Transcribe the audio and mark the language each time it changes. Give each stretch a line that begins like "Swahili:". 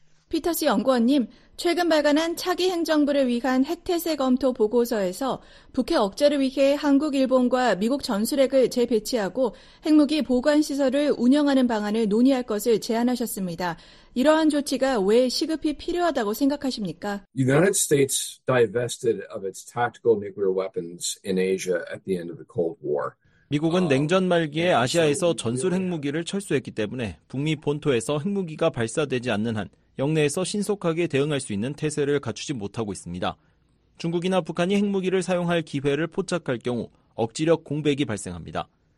Korean: 피터스 연구원님, 최근 발간한 차기 행정부를 위한 핵태세 검토 보고서에서 북핵 억제를 위해 한국, 일본과 미국 전술핵을 재배치하고 핵무기 보관시설을 운영하는 방안을 논의할 것을 제안하셨습니다. 이러한 조치가 왜 시급히 필요하다고 생각하십니까?
English: United States divested of its tactical nuclear weapons in Asia at the end of the Cold War.
Korean: 미국은 냉전 말기에 아시아에서 전술 핵무기를 철수했기 때문에 북미 본토에서 핵무기가 발사되지 않는 한 영내에서 신속하게 대응할 수 있는 태세를 갖추지 못하고 있습니다. 중국이나 북한이 핵무기를 사용할 기회를 포착할 경우 억지력 공백이 발생합니다.